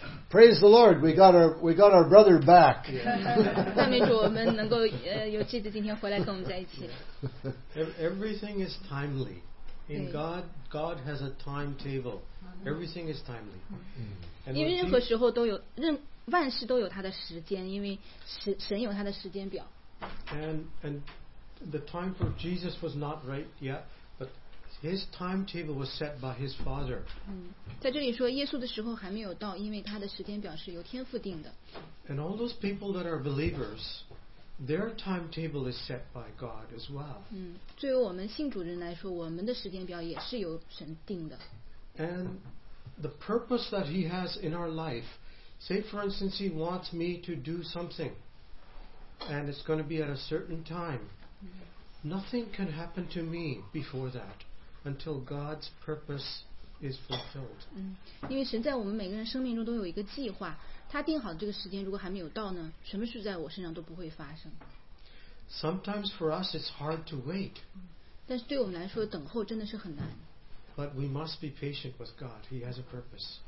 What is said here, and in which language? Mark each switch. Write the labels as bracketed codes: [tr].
[en] Praise the Lord, we got our brother back. [zh] 赞美主，我们能够有记得今天回来跟我们在一起。 [en] Everything is timely. In God, God has a timetable. Everything is timely. [zh] 因为任何时候都有万事都有它的时间，因为神有它的时间表。 [en] And the time for Jesus was not right yet. His timetable was set by his father. [zh] 在这里说耶稣的时候还没有到，因为他的时间表是由天父定的。 [en] And all those people that are believers, their timetable is set by God as well. [zh] 对于我们信主人来说，我们的时间表也是由神定的。 [en] And the purpose that he has in our life, say for instance, he wants me to do something, and it's going to be at a certain time. Nothing can happen to me before that. Until God's purpose is fulfilled. [zh] 因为神在我们每个人生命中都有一个计划，他定好的这个时间如果还没有到呢，什么事在我身上都不会发生。 [en] Sometimes for us it's hard to wait. [zh] 但是对我们来说等候真的是很难。 [en] But we must be patient with God. He has a purpose.